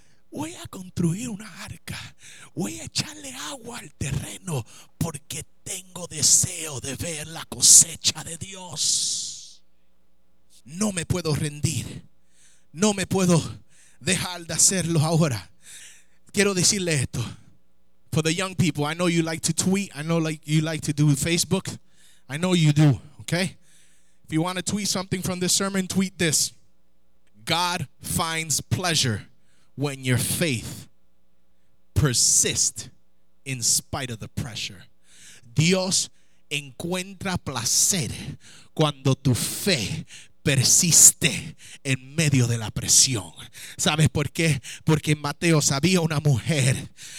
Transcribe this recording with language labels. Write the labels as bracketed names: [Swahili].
[Spanish] Voy a construir una arca. Voy a echarle agua al terreno porque tengo deseo de ver la cosecha de Dios. No me puedo rendir. No me puedo dejar de hacerlo ahora. Quiero decirle esto. [English] For the young people, I know you like to tweet. I know like you like to do Facebook. I know you do, okay? If you want to tweet something from this sermon, tweet this. God finds pleasure when your faith persists in spite of the pressure. [Spanish] Dios encuentra placer cuando tu fe persiste en medio de la presión. ¿Sabes por qué? Porque en Mateo había una mujer.